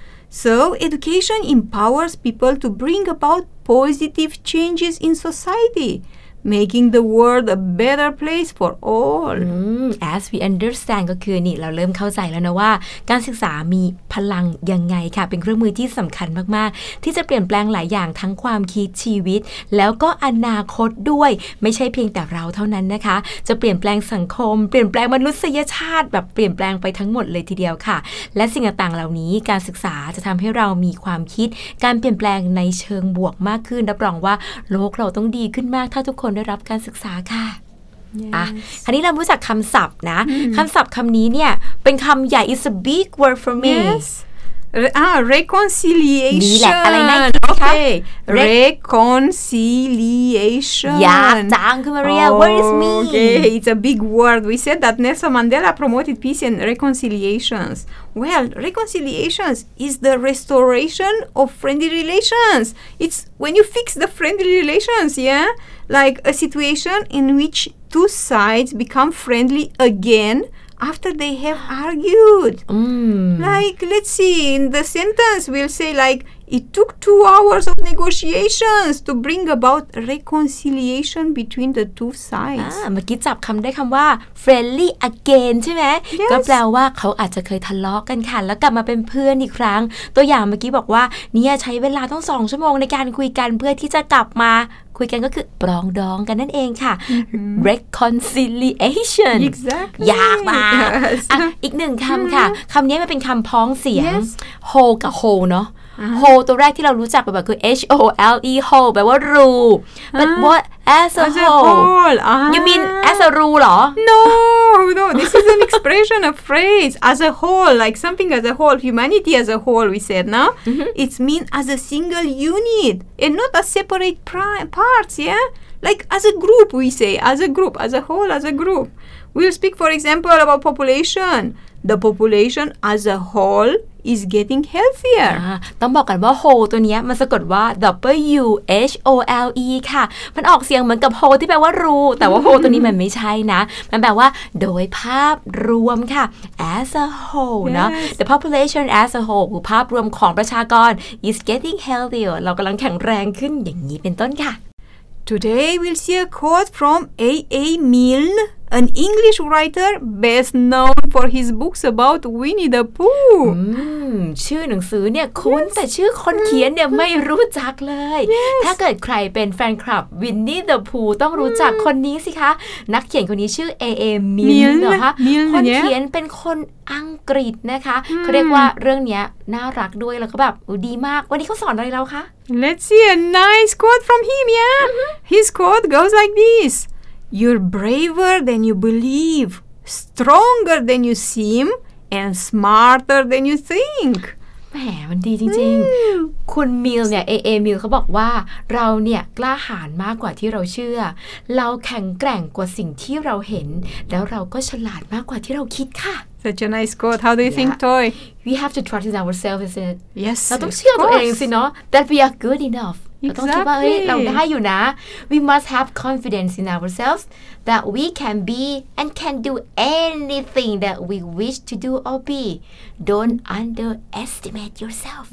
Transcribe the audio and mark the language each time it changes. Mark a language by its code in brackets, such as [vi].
[en] So education empowers people to bring about positive changes in society. Making the world a better place for all. As we understand, [th] ก็คือนี่เราเริ่มเข้าใจแล้วนะว่าการศึกษามีพลังยังไงค่ะเป็นเครื่องมือที่สำคัญมากๆที่จะเปลี่ยนแปลงหลายอย่างทั้งความคิดชีวิตแล้วก็อนาคตด้วยไม่ใช่เพียงแต่เราเท่านั้นนะคะจะเปลี่ยนแปลงสังคมเปลี่ยนแปลงมนุษยชาติแบบเปลี่ยนแปลงไปทั้งหมดเลยทีเดียวค่ะและสิ่งต่างๆเหล่านี้การศึกษาจะทำให้เรามีความคิดการเปลี่ยนแปลงในเชิงบวกมากขึ้นรับรองว่าโลกเราต้องดีขึ้นมากถ้าทุกคนได้รับการศึกษาค่ะ [en] yes. [th] อ่ะคราวนี้เรารู้จักคำศัพท์นะ [en] mm-hmm. [th] คำศัพท์คำนี้เนี่ยเป็นคำใหญ่ [en] It's a big word for me yes. Reconciliation [th] นี่แหละอะไรน่าคิด ค [en] okay. Reconciliation [th] อยากจังคือมาเรีย [en] What is me okay. It's a big word We said that Nelson Mandela promoted peace and reconciliations Well, reconciliations is the restoration of friendly relations It's when you fix the friendly relations yeahLike a situation in which two sides become friendly again after they have argued. Like, let's see, in the sentence we'll say like, it took 2 hours of negotiations to bring about reconciliation between the two sides. [th] เมื่อกี้จับคำได้คำว่า friendly again ใช่ไหม [en] yes. [th] ก็แปลว่าเขาอาจจะเคยทะเลาะกันค่ะแล้วกลับมาเป็นเพื่อนอีกครั้งตัวอย่างเมื่อกี้บอกว่าเนี่ยใช้เวลาต้อง2 ชั่วโมงในการคุยกันเพื่อที่จะกลับมาค คุยกันก็คือปรองดองกันนั่นเองค่ะ reconciliation [en] exactly [th] ยากมาก อีกหนึ่งคำค่ะคำนี้มันเป็นคำพ้องเสียง whole กับ whole เนาะwhole ตัวแรกที่เรารู้จักแบบคือ h-o-l-e whole แปลว่ารู [en] but what as a whole you mean as a rule [th] หรอ [en] no this is an expression a phrase as a whole like something as a whole humanity as a whole we said no it's mean as a single unit and not as separate parts yeah like as a group we say as a group as a whole as a group we'll speak for example about population the population as a wholeis getting healthier [th] ต้องบอกกันว่า whole ตัวนี้มันสะกดว่า w h o l e ค่ะมันออกเสียงเหมือนกับ whole ที่แปลว่ารู้แต่ว่า whole ตัวนี้มันไม่ใช่นะมันแปลว่าโดยภาพรวมค่ะ as a whole เนาะ [en] the population as a whole [th] คือภาพรวมของประชากร [en] is getting healthier [th] เรากำลังแข็งแรงขึ้นอย่างนี้เป็นต้นค่ะ [en] today we'll see a quote from A. A. Milne an English writer best known for his books about Winnie the Pooh [th] ชื่อหนังสือเนี่ยคุ้น yes. แต่ชื่อคนเขียนเนี่ย ไม่รู้จักเลย [en] yes. [th] ถ้าเกิดใครเป็นแฟนคลับ Winnie the Pooh ต้องรู้จักคนนี้สิคะนักเขียนคนนี้ชื่อ A.A. Milne เหรอคะคนเขียนเป็นคนอังกฤษนะคะเขาเรียกว่าเรื่องนี้น่ารักด้วยแล้วก็แบบดีมากวันนี้เขาสอนอะไรเราคะ [en] Let's see a nice quote from him yeah His quote goes like thisYou're braver than you believe, stronger than you seem, and smarter than you think. [th] แหมมันดีจริงๆคุณมิลเนี่ยAA Milneเขาบอกว่าเราเนี่ยกล้าหาญมากกว่าที่เราเชื่อเราแข็งแกร่งกว่าสิ่งที่เราเห็นแล้วเราก็ฉลาดมากกว่าที่เราคิดค่ะ [en] Such a nice quote. How do you yeah. think, Toy? We have to trust in ourselves, isn't it? Yes, [th] เราต้องเชื่อตัวเองสิเนาะ [en] That we are good enoughExactly. [th] เราได้อยู่นะ [en] We must have confidence in ourselves that we can be and can do anything that we wish to do or be. Don't underestimate yourself.